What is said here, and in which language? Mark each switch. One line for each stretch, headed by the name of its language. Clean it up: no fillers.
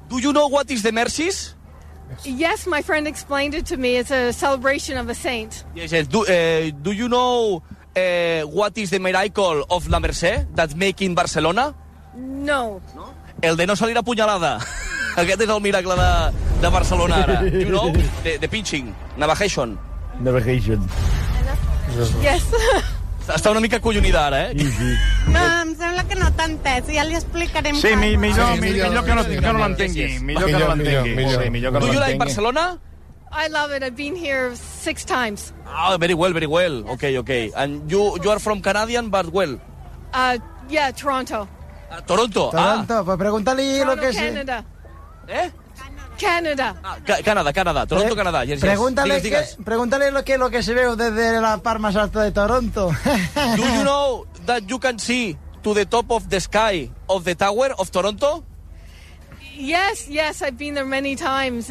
English: Do you know what is the Mercies? Yes, my friend explained it to me. It's a celebration of a saint. Yes. Do you know what is the miracle of la Mercè that's making Barcelona? No. No?
Spanish: El de no salir a punyalada.
Catalan: Aquest és el miracle de Barcelona, ara.
English: You know? The pinching. Navajation. Navajation. Yes.
Catalan: Està una mica collonida, ara, eh? Sí, sí. No, em sembla que no t'ha entès. Ja li explicarem. Sí, millor que no l'entengui. Millor que no l'entengui.
English: Do you like Barcelona? I love it. I've been here 6 times. Oh, very well, very well. Okay, okay. And you are from Canadian, but well? Yeah, Toronto. Toronto. Toronto, ah.
Spanish: Pues pregúntale lo que
English: Canada.
Spanish: Es. Canadá. Canadá. Canadá. Toronto, Canadá. Yes, pregúntale,
English: yes.
Spanish: Pregúntale lo que se ve desde la parte más alta de Toronto.
English: Do you know that you can see to the top of the sky of the tower of Toronto? Yes, yes, I've been there many times.